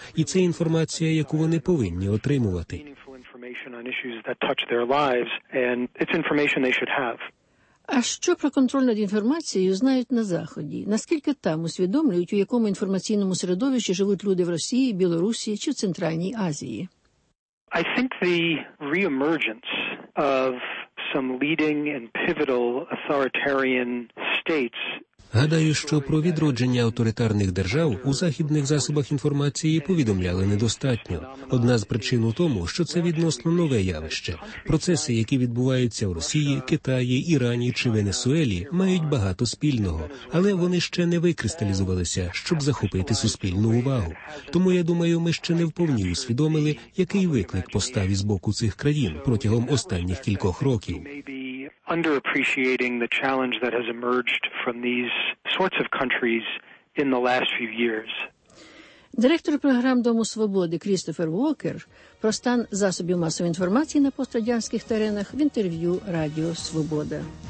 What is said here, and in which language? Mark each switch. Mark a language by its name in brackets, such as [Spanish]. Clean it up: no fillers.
[Ukrainian] І це інформація, яку вони повинні отримувати. А що про контроль над інформацією знають на Заході? Наскільки там усвідомлюють, у якому інформаційному середовищі живуть люди в Росії, Білорусі чи в Центральній Азії? [English] I think the reemergence of some leading and pivotal authoritarian states. [Ukrainian] Гадаю, що про відродження авторитарних держав у західних засобах інформації повідомляли недостатньо. Одна з причин у тому, що це відносно нове явище. Процеси, які відбуваються в Росії, Китаї, Ірані чи Венесуелі, мають багато спільного. Але вони ще не викристалізувалися, щоб захопити суспільну увагу. Тому, я думаю, ми ще не вповні усвідомили, який виклик постав із боку цих країн протягом останніх кількох років. [English] Underappreciating the challenge that has emerged from these sorts of countries in the last few years. [Ukrainian] Директор програм Дому Свободи Крістофер Уокер про стан засобів масової інформації на пострадянських теренах в інтерв'ю Радіо Свобода.